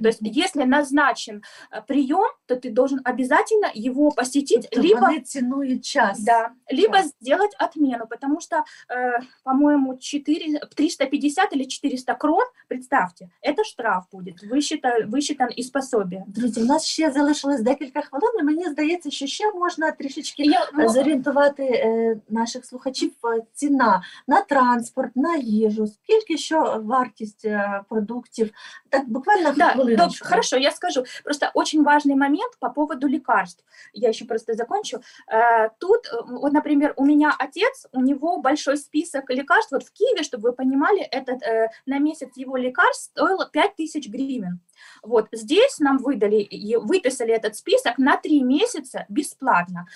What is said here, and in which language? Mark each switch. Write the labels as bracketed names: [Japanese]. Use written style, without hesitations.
[Russian] То есть, если назначен прием, то ты должен обязательно его посетить, либо тянуть час. Да, либо час. Сделать отмену, потому что, по-моему, 350 или 400 крон, представьте, это штраф будет, высчитан из пособия. [Ukrainian] Друзья, у нас ще залишилось декілька хвилин, і мені здається, що ще можна трішечки зорієнтувати наших слухачів ціна на транспорт, на їжу, скільки ще вартість продуктів. Так, буквально хвилиночку. [Russian] Да, хорошо, я скажу. Просто очень важный момент по поводу лекарств. Я еще просто закончу. Тут, вот, например, у меня отец, у него большой список лекарств. Вот в Киеве, чтобы вы понимали, этот на месяц его лекарств стоило 5000 гривен. Вот здесь нам выдали, выписали этот список на 3 месяца бесплатно.